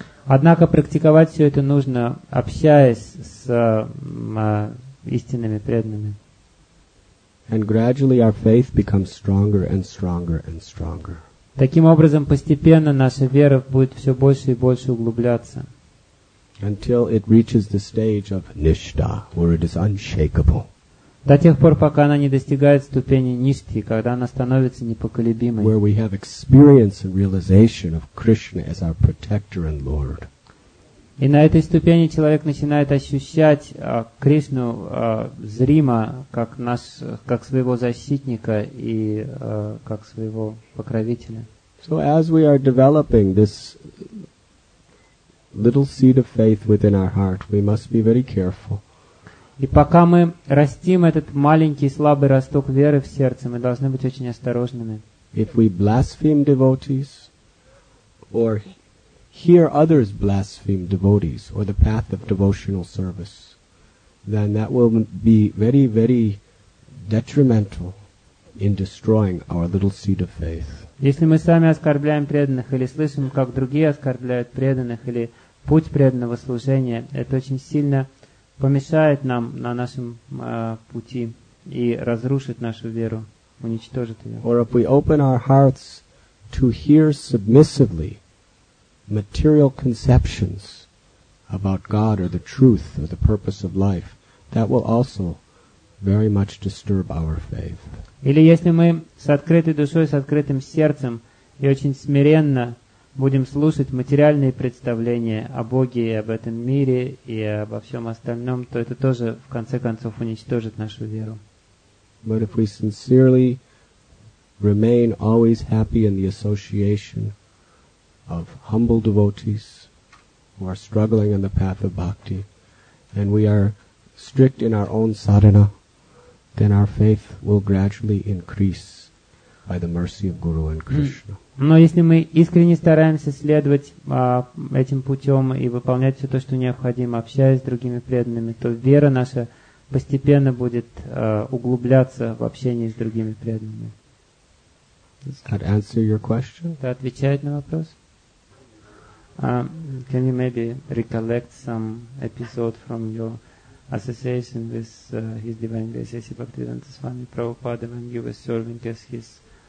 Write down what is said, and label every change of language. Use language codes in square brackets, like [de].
[ru] Однако практиковать все это нужно, общаясь с истинными преданными. [en] And gradually our faith becomes stronger and stronger and stronger. [ru] Таким образом, постепенно наша вера будет все больше и больше углубляться. [en] Until it reaches the stage of nishtha, where it is unshakable. [ru] До тех пор, пока она не достигает ступени ништхи, когда она становится непоколебимой. [en] Where we have experience and realization of Krishna as our protector and Lord. [ru] И на этой ступени человек начинает ощущать Кришну зримо, как наш, как своего защитника и как своего покровителя. [en] So as we are developing this little seed of faith within our heart, we must be very careful. [ru] И пока мы растим этот маленький слабый росток веры в сердце, мы должны быть очень осторожными. [en] If we blaspheme devotees, or hear others blaspheme devotees, or the path of devotional service, then that will be very, very detrimental in destroying our little seed of faith. [ru] Если мы сами оскорбляем преданных, или слышим, как другие оскорбляют преданных, или путь преданного служения, это очень сильно помешает нам на нашем пути и разрушит нашу веру, уничтожит ее. [en] Or if we open our hearts to hear submissively material conceptions about God or the truth or the purpose of life, that will also very much disturb our faith. [ru] Или если мы с открытой душой, с открытым сердцем и очень смиренно будем слушать материальные представления о Боге и об этом мире и обо всем остальном, то это тоже, в конце концов, уничтожит нашу веру. [en] But if we sincerely remain always happy in the association of humble devotees who are struggling on the path of bhakti, and we are strict in our own sadhana, then our faith will gradually increase by the mercy of Guru and Krishna. [ru] Но если мы искренне стараемся следовать этим путем и выполнять все то, что необходимо, общаясь с другими преданными, то вера наша постепенно будет углубляться в общении с другими преданными. [en] Does that answer your question? [ru] Это отвечает на вопрос? [en] Can you maybe recollect some episode from your association with His Divine Grace Bhaktivedanta Swami Prabhupada when you were serving as his